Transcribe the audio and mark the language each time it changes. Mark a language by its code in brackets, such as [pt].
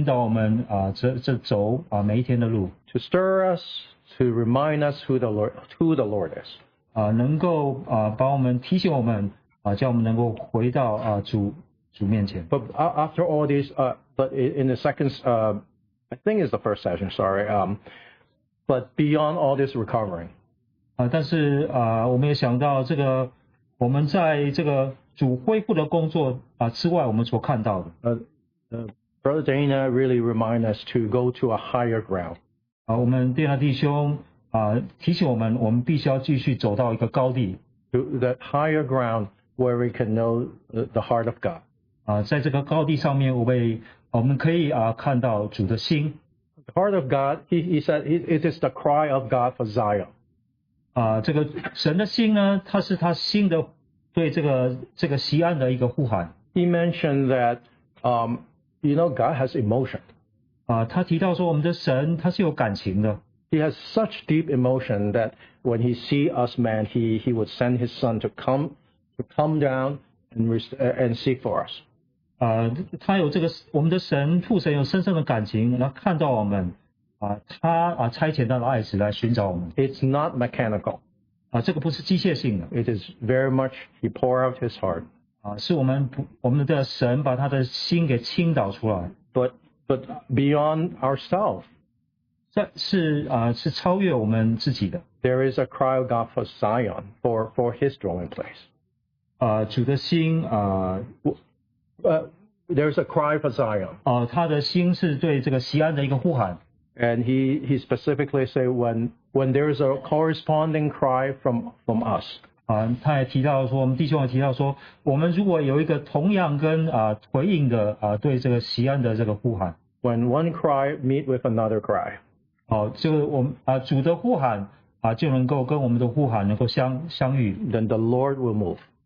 [zh] 我们在平常生活里面，我们有这个圣善的灵来这个引导我们这走每一天的路。 [en] To stir us, to remind us who the Lord is. [zh] 能够帮我们提醒我们，叫我们能够回到主面前。 [en] But after all these, but in the second, I think it's the first session, sorry. But beyond all this recovering. [zh] 但是我们也想到这个，我们在这个主恢复的工作啊之外，我们所看到的。 [en] Brother Dana really remind us to go to a higher ground. [zh] 我们第二弟兄提醒我们，我们必须要继续走到一个高地。 [en] To that higher ground where we can know the heart of God. [zh] 在这个高地上面，我们可以看到主的心。 [en] The heart of God, he said, it is the cry of God for Zion. [zh] 这个神的心呢，它是他心的对这个锡安的一个呼喊。 [en] He mentioned that, you know, God has emotion. [zh] 他提到说我们的神他是有感情的。 [en] He has such deep emotion that when he see us man, he would send his son to come down and seek for us. [zh] 他有这个我们的神父神有深深的感情，然后看到我们，他差遣他的爱子来寻找我们。 [en] It's not mechanical. [zh] 这个不是机械性的。 [en] It is very much he pour out his heart. [zh] 是我们的神把他的心给倾倒出来。 [en] But beyond ourselves. [zh] 是超越我们自己的。 [en] There is a cry of God for Zion, for his dwelling place. [zh] 主的心 [en] there is a cry for Zion. [zh] 他的心是对这个锡安的一个呼喊。 [en] And he specifically say when there is a corresponding cry from us. [zh] 他也提到说我们弟兄也提到说我们如果有一个同样跟回应的对这个锡安的这个呼喊。 [en] When one cry meet with another cry. [zh] 主的呼喊就能够跟我们的呼喊能够相遇。 [en] Then the Lord will move.